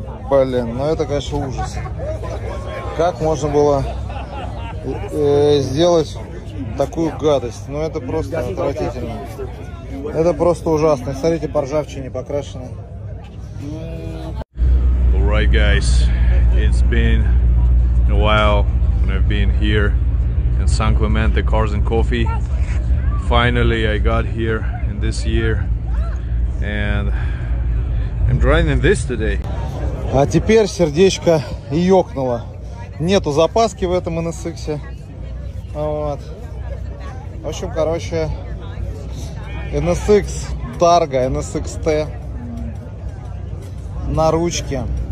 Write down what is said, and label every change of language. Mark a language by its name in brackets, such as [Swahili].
[Russian] Блин, ну это, конечно, ужас. Как можно было сделать такую гадость? Ну это просто отвратительно. Это просто ужасно. Смотрите, по ржавчине покрашено. [English] All right, guys. It's been a while when I've been here in San Clemente Cars and Coffee. Finally, I got here in this year. And I'm driving this today. [Russian] А теперь сердечко ёкнуло. Нету запаски в этом NSX. Вот. В общем, короче, NSX Targa, NSX-T на ручке.